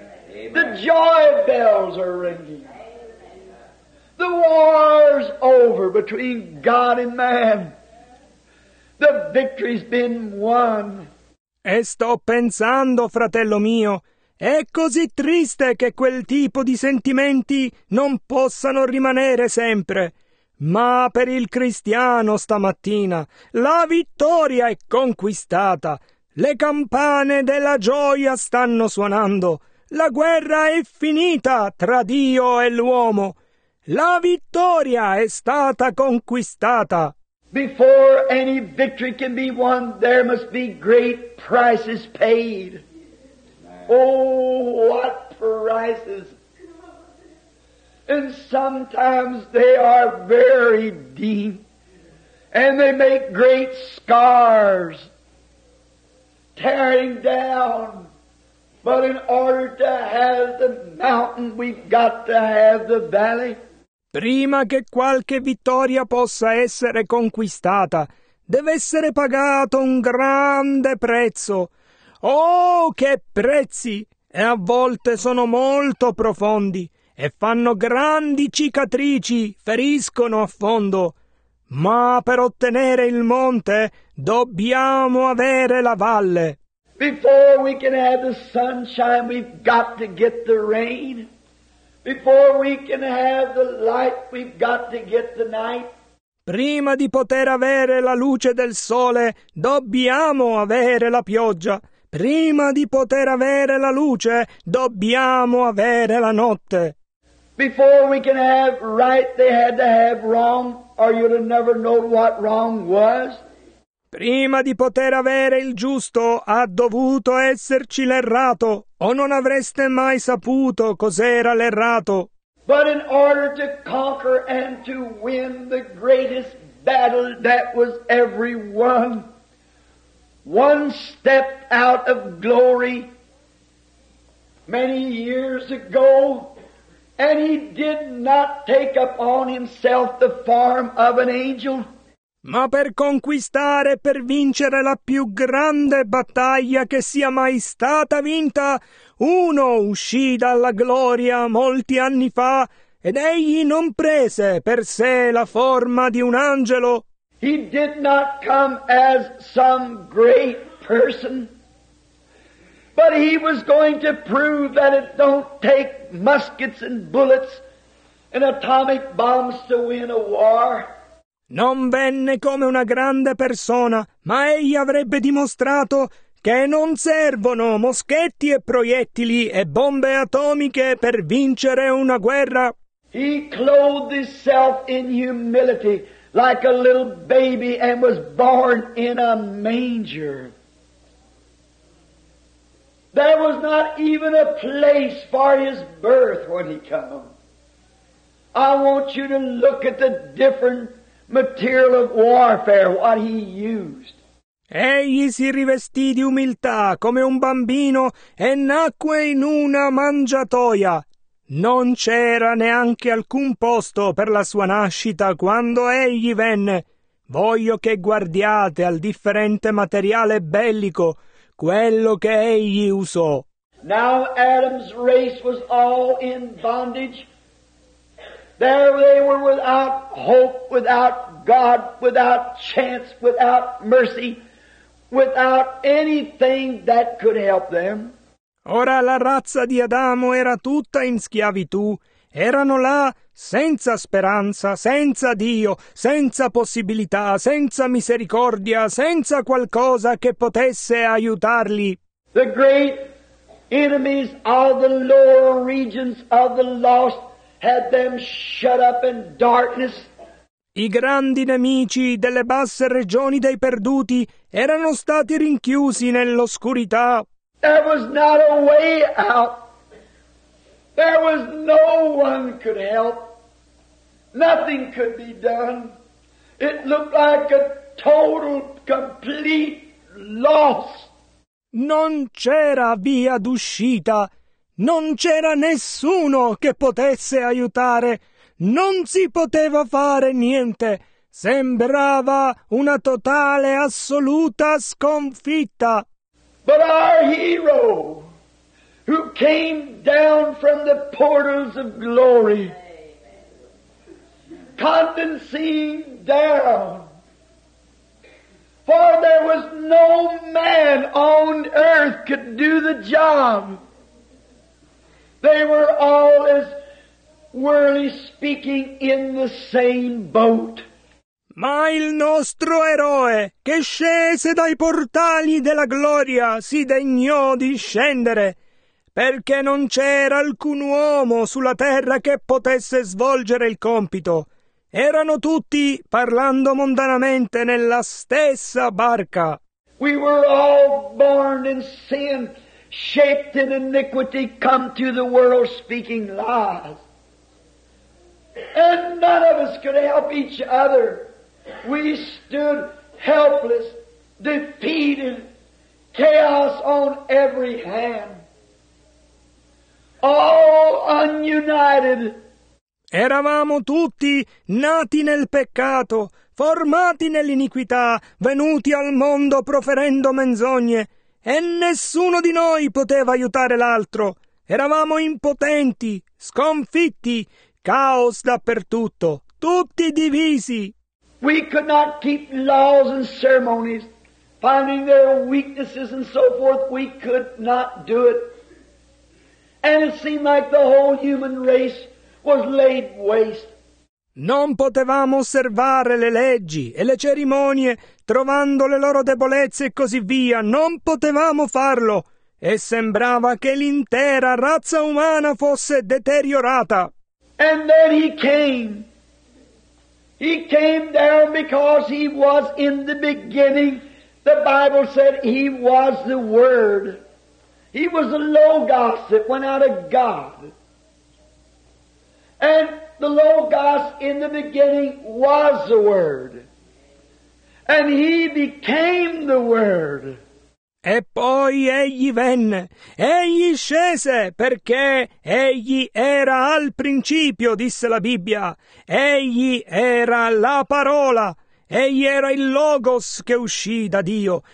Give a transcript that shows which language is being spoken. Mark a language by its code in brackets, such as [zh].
[en] Amen. The joy bells are ringing. The war's over between God and man. The victory's been won. [it] E sto pensando, fratello mio, è così triste che quel tipo di sentimenti non possano rimanere sempre. Ma per il cristiano stamattina la vittoria è conquistata. Le campane della gioia stanno suonando. La guerra è finita tra Dio e l'uomo. La vittoria è stata conquistata. [en] Before any victory can be won, there must be great prices paid. Oh, what prices! And sometimes they are very deep, and they make great scars, tearing down. But in order to have the mountain, we've got to have the valley. [it] Prima che qualche vittoria possa essere conquistata, deve essere pagato un grande prezzo. Oh, che prezzi! E a volte sono molto profondi e fanno grandi cicatrici, feriscono a fondo. Ma per ottenere il monte dobbiamo avere la valle. [en] Before we can have the sunshine, we've got to get the rain. Before we can have the light, we've got to get the night. [it] Prima di poter avere la luce del sole, dobbiamo avere la pioggia. prima di poter avere la luce, dobbiamo avere la notte. [en] Before we can have right, they had to have wrong, or you'd have never known what wrong was. [it] Prima di poter avere il giusto, ha dovuto esserci l'errato, o non avreste mai saputo cos'era l'errato. [en] But in order to conquer and to win the greatest battle that was ever won, one step out of glory many years ago, and he did not take upon himself the form of an angel. [it] Ma per conquistare e per vincere la più grande battaglia che sia mai stata vinta, uno uscì dalla gloria molti anni fa ed egli non prese per sé la forma di un angelo. [en] He did not come as some great person, but he was going to prove that it don't take muskets and bullets and atomic bombs to win a war. [it] Non venne come una grande persona, ma egli avrebbe dimostrato che non servono moschetti e proiettili e bombe atomiche per vincere una guerra. [en] He clothed himself in humility like a little baby and was born in a manger. There was not even a place for his birth when he came. I want you to look at the different material of warfare, what he used. [it] Egli si rivestì di umiltà come un bambino e nacque in una mangiatoia. Non c'era neanche alcun posto per la sua nascita quando egli venne. Voglio che guardiate al differente materiale bellico, quello che egli usò. [en] Now Adam's race was all in bondage. There they were without hope, without God, without chance, without mercy, without anything that could help them. [it] Ora la razza di Adamo era tutta in schiavitù. Erano là senza speranza, senza Dio, senza possibilità, senza misericordia, senza qualcosa che potesse aiutarli. [en] The great enemies of the lower regions of the lost had them shut up in darkness. [it] I grandi nemici delle basse regioni dei perduti erano stati rinchiusi nell'oscurità. [en] There was not a way out. There was no one could help. Nothing could be done. It looked like a total, complete loss. [it] Non c'era via d'uscita. Non c'era nessuno che potesse aiutare. Non si poteva fare niente. Sembrava una totale, assoluta sconfitta. [en] But our hero, who came down from the portals of glory, condescending down, for there was no man on earth could do the job. They were all, as worldly speaking, in the same boat. [it] Ma il nostro eroe, che scese dai portali della gloria, si degnò di scendere, perché non c'era alcun uomo sulla terra che potesse svolgere il compito. Erano tutti, parlando mondanamente, nella stessa barca. [en] We were all born in sin, shaped in iniquity, come to the world speaking lies. And none of us could help each other. We stood helpless, defeated, chaos on every hand. All ununited. [it] Eravamo tutti nati nel peccato, formati nell'iniquità, venuti al mondo proferendo menzogne. E nessuno di noi poteva aiutare l'altro. Eravamo impotenti, sconfitti, caos dappertutto, tutti divisi. [en] We could not keep laws and ceremonies, finding their weaknesses and so forth. We could not do it. And it seemed like the whole human race was laid waste. [it] Non potevamo osservare le leggi e le cerimonie, trovando le loro debolezze e così via, non potevamo farlo, e sembrava che l'intera razza umana fosse deteriorata. [en] And then he came. He came down because he was in the beginning. The Bible said he was the Word. He was the Logos that went out of God. And the Logos in the beginning was the Word. And he became the Word. [it] E poi egli venne, egli scese, perché egli era al principio, disse la Bibbia. Egli era la parola, egli era il Logos che uscì da Dio.